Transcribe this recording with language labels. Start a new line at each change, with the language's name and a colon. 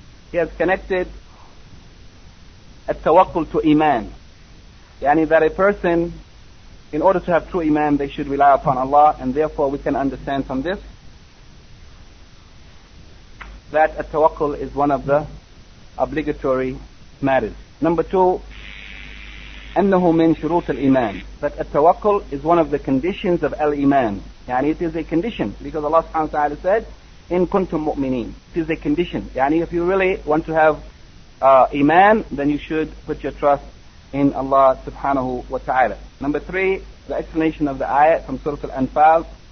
English: He has connected at tawakkul to iman. Yani that a person, in order to have true iman, they should rely upon Allah, and therefore we can understand from this that a tawakkul is one of the obligatory matters.
Arabic: Number two, أنه من شروط الإيمان.
English: That a tawakkul is one of the conditions of al-iman. Yani it is a condition, because Allah subhanahu wa ta'ala said,
Arabic: إن كنتم مؤمنين.
English: It is a condition. Yani if you really want to have iman, then you should put your trust in Allah subhanahu wa ta'ala. Number three, the explanation of the ayat from Surah Al-Anfal.